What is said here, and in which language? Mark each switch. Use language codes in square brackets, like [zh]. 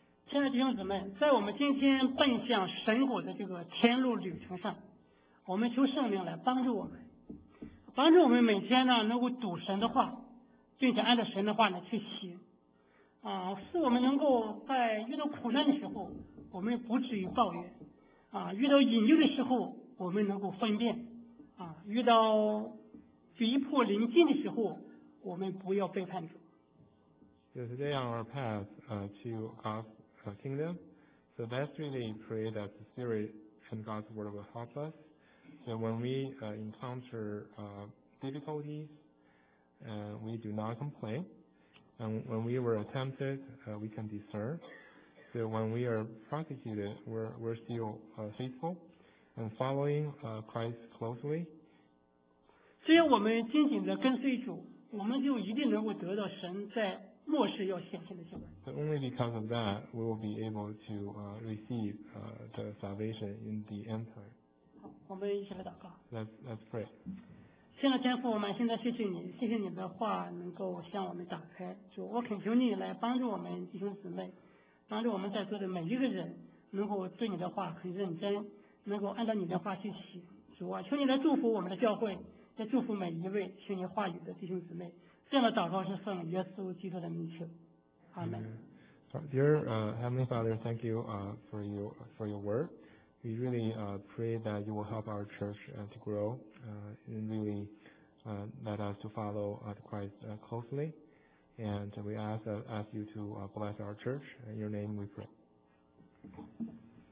[zh] 亲爱的弟兄姊妹，在我们今天奔向神国的这个天路旅程上，我们求圣灵来帮助我们，帮助我们每天呢能够读神的话，并且按照神的话呢去行，使我们能够在遇到苦难的时候，我们不至于抱怨。遇到引诱的时候我们能够分辨，遇到逼迫临近的时候我们不要背叛主。 [en] So today on our path to God's kingdom, so let's really pray that the Spirit and God's word will help us. So when we encounter difficulties, we do not complain, and when we were tempted, we can discern. So when we are prosecuted, we're still faithful and following Christ closely. [zh] 只要我们紧紧地跟随主，我们就一定能够得到神在末世要显现的救恩。 [en] So only because of that, we will be able to receive the salvation in the end time. [zh] 好，我们一起来祷告。 [en] Let's pray. [zh] 亲爱的天父，我们现在谢谢你，谢谢你的话能够向我们打开。主，我恳求你来帮助我们弟兄姊妹。帮助我们在座的每一个人能够对你的话很认真，能够按照你的话去行。主啊，求你来祝福我们的教会，来祝福每一位听你话语的弟兄姊妹。这样的祷告是奉耶稣基督的名求，阿门。 [en] Dear Heavenly Father, thank you for your word. We really pray that you will help our church to grow and really let us to follow Christ closely. And we ask you to bless our church. In your name we pray.